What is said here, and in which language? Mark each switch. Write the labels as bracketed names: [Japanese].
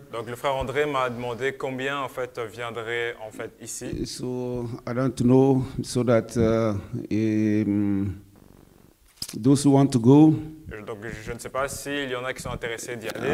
[French] Donc le frère André m'a demandé combien en fait viendrait en fait ici. [English] So I don't know, so that those who want to go. [French] Donc je ne sais pas s'il y en a qui sont intéressés d'y aller.